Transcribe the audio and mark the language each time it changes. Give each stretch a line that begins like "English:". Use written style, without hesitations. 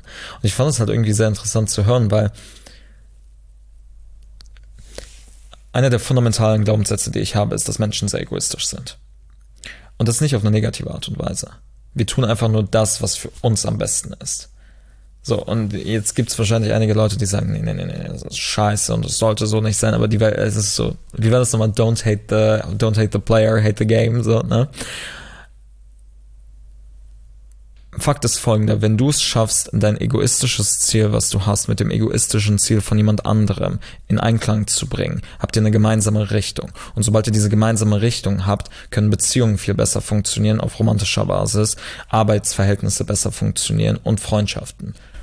German: Und ich fand es halt irgendwie sehr interessant zu hören, weil einer der fundamentalen Glaubenssätze, die ich habe, ist, dass Menschen sehr egoistisch sind. Und das nicht auf eine negative Art und Weise. Wir tun einfach nur das, was für uns am besten ist. So, und jetzt gibt es wahrscheinlich einige Leute, die sagen, nee, nee, nee, nee, das ist scheiße und das sollte so nicht sein, aber die Welt, es ist so, wie war das nochmal?
English: Don't hate the player, hate the game, so, ne?
German: Fakt ist folgender, wenn du es schaffst, dein egoistisches Ziel, was du hast, mit dem egoistischen Ziel von jemand anderem in Einklang zu bringen, habt ihr eine gemeinsame Richtung. Und sobald ihr diese gemeinsame Richtung habt, können Beziehungen viel besser funktionieren auf romantischer Basis, Arbeitsverhältnisse besser funktionieren und Freundschaften.